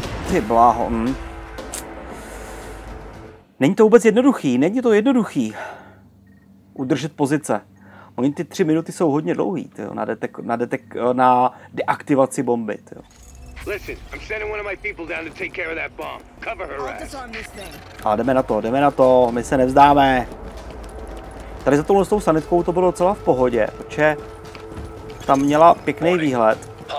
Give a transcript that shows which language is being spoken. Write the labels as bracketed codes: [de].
[cs] Ty bláho. Není to vůbec jednoduchý, není to jednoduchý udržet pozice. Oni ty 3 minuty jsou hodně dlouhý, tyjo, na deaktivaci bomby, tyjo. [en] Listen, I'm sending one of my people down to take care of that bomb. Cover her ass. [cs] A jdeme na to, my se nevzdáme. Tady za touhle sanitkou to bylo docela v pohodě, protože tam měla pěkný výhled.